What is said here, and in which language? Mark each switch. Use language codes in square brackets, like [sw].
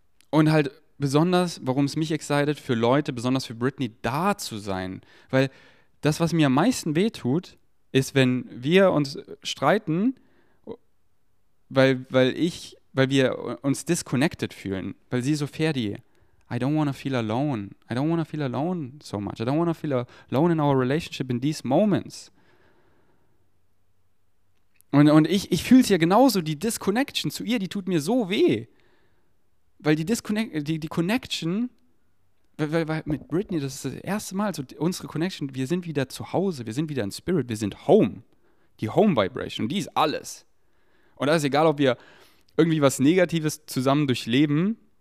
[de] Und halt besonders, warum es mich excited, für Leute, besonders für Britney, da zu sein. Weil das, was mir am meisten wehtut, ist, wenn wir uns streiten, weil wir uns disconnected fühlen, weil sie so Ferdi. [en] I don't want to feel alone. I don't want to feel alone so much. I don't want to feel alone in our relationship in these moments. [de] Und ich fühle es ja genauso, die Disconnection zu ihr, die tut mir so weh. Weil die Connection, weil mit Britney, das ist das erste Mal, so unsere Connection, wir sind wieder zu Hause, wir sind wieder in Spirit, wir sind home. Die Home Vibration, die ist alles. Und das ist egal, ob wir irgendwie was Negatives zusammen durchleben.